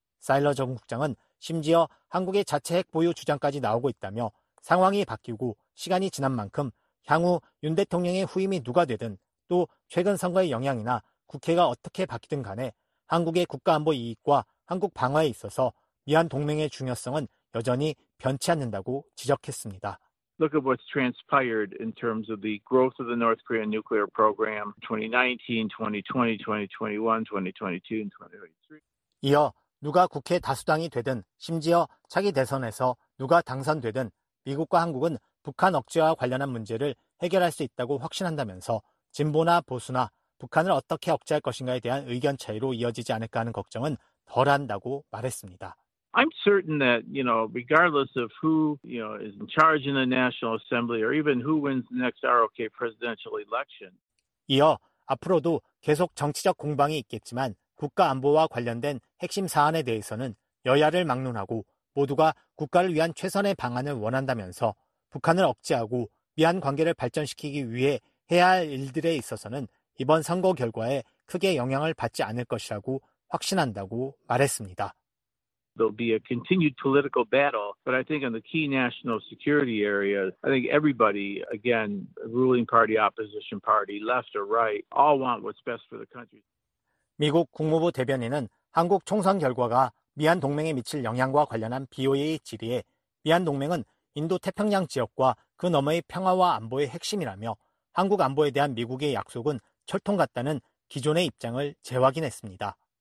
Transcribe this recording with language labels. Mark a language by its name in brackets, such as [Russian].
[Korean] 사일러 전 국장은 심지어 한국의 자체 핵 보유 주장까지 나오고 있다며 상황이 바뀌고 시간이 지난 만큼 향후 윤 대통령의 후임이 누가 되든 또 최근 선거의 영향이나 국회가 어떻게 바뀌든 간에 한국의 국가안보 이익과 한국 방어에 있어서 미한 동맹의 중요성은 여전히 변치 않는다고 지적했습니다. [English] Look at what's transpired in terms of the growth of the North Korean nuclear program 2019, 2020, 2021, 2022, and 2023. [Korean] 이어 누가 국회 다수당이 되든 심지어 차기 대선에서 누가 당선되든 미국과 한국은 북한 억제와 관련한 문제를 해결할 수 있다고 확신한다면서 진보나 보수나 북한을 어떻게 억제할 것인가에 대한 의견 차이로 이어지지 않을까 하는 걱정은 덜한다고 말했습니다. [English] I'm certain that, you know, regardless of who, you know, is in charge in the National Assembly or even who wins the next ROK presidential election. [Korean] 이어 앞으로도 계속 정치적 공방이 있겠지만 국가 안보와 관련된 핵심 사안에 대해서는 여야를 막론하고 모두가 국가를 위한 최선의 방안을 원한다면서 북한을 억제하고 미한 관계를 발전시키기 위해 해야 할 일들에 있어서는 이번 선거 결과에 크게 영향을 받지 않을 것이라고 확신한다고 말했습니다. [English] There'll be a continued political battle, but I think in the key national security area, I think everybody, again, ruling party, opposition party, left or right, all want what's best for the country. [Korean] 미국 국무부 대변인은 한국 총선 결과가 미한 동맹에 미칠 영향과 관련한 BOA 질의에 미한 동맹은 인도 태평양 지역과 그 너머의 평화와 안보의 핵심이라며 한국 안보에 대한 미국의 약속은 철통 같다는 기존의 입장을 재확인했습니다.